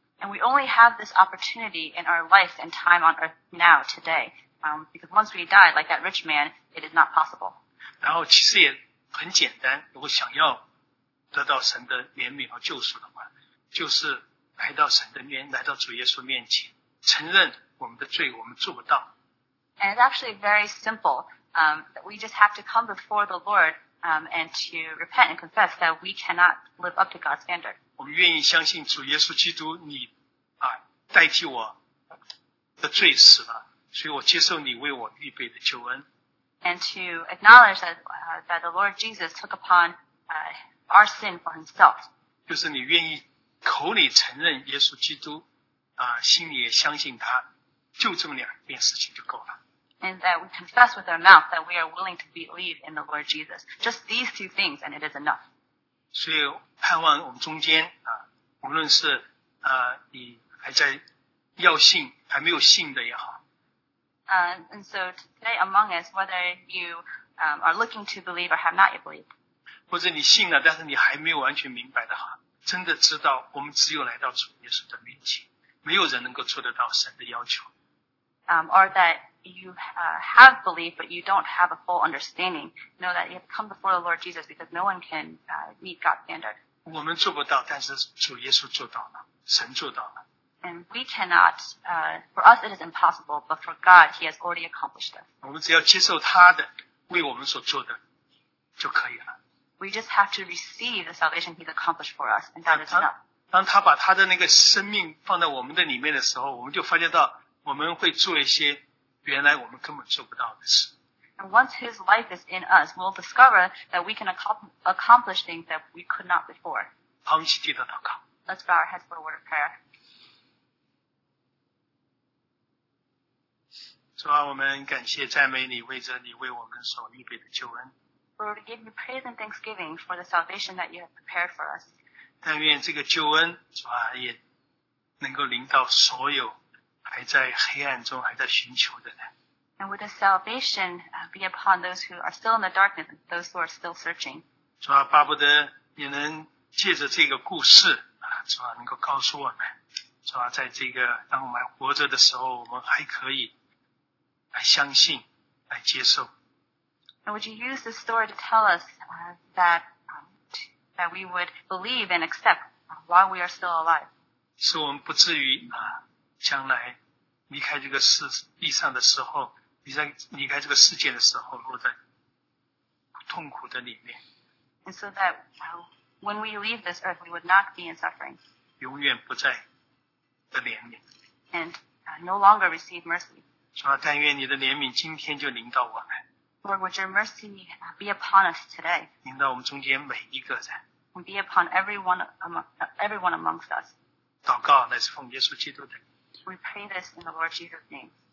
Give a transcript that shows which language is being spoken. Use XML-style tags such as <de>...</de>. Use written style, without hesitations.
<en>And we only have this opportunity in our life and time on earth now, today. Because once we die, like that rich man, it is not possible.</en> <zh>然后其实也很简单，如果想要得到神的怜悯和救赎的话，就是来到神的面，来到主耶稣面前，承认我们的罪，我们做不到。</zh> <en>And it's actually very simple. We just have to come before the Lord, and to repent and confess that we cannot live up to God's standard.</en> <zh>我们愿意相信主耶稣基督，你啊，代替我的罪死了，所以我接受你为我预备的救恩。</zh> <en>And to acknowledge that, that the Lord Jesus took upon our sin for himself.</en> <zh>就是你愿意口里承认耶稣基督，心里也相信他，就这么两件事情就够了。</zh> <en>And that we confess with our mouth that we are willing to believe in the Lord Jesus. Just these two things, and it is enough.</en> <zh>所以盼望我们中间无论是你还在要信，还没有信的也好。</zh> <en>And so today among us, whether you are looking to believe or have not yet believed.</en> <zh>或者你信了，但是你还没有完全明白的话，真的知道我们只有来到主耶稣的面前，没有人能够做得到神的要求。</zh> <en>Or that you have believed, but you don't have a full understanding. Know that you have come before the Lord Jesus because no one can meet God's standard.</en> <zh>我们做不到，但是主耶稣做到了，神做到了。</zh> <en>And we cannot, for us it is impossible, but for God, He has already accomplished it.</en> <zh>我们只要接受他的，为我们所做的，就可以了。</zh> <en>We just have to receive the salvation He's accomplished for us, and that is enough.</en> <zh>当他把他的那个生命放在我们的里面的时候，我们就发现到我们会做一些原来我们根本做不到的事。</zh> <en>And once His life is in us, we'll discover that we can accomplish things that we could not before.</en> <zh>好，我们一起低头祷告。</zh> <en>Let's bow our heads for a word of prayer.</en> <zh>主啊，我们感谢赞美你，为着你为我们所预备的救恩。</zh> <en>Lord, we give you praise and thanksgiving for the salvation that you have prepared for us.</en> <zh>但愿这个救恩，主啊，也能够临到所有还在黑暗中还在寻求的人。</zh> <en>And would the salvation be upon those who are still in the darkness, those who are still searching?</en> <zh>主啊，巴不得你能借着这个故事主啊，能够告诉我们，主啊，在这个当我们活着的时候，我们还可以。来相信，来接受。</zh> <en>And would you use this story to tell us that we would believe and accept while we are still alive?</en> <zh>使我们不至于将来离开这个世地上的时候，离开这个世界的时候，落在痛苦的里面。</zh> <en>And so that when we leave this earth, we would not be in suffering.</en> <zh>永远不在的怜悯。</zh> <en>And no longer receive mercy.</en> <zh>主啊，但愿你的怜悯今天就临到我们。</zh> <en>Lord, would your mercy be upon us today?</en> <zh>临到我们中间每一个人。</zh> <en>And be upon everyone amongst us.</en> <zh>祷告乃是奉耶稣基督的。</zh> <en>We pray this in the Lord Jesus' name.</en>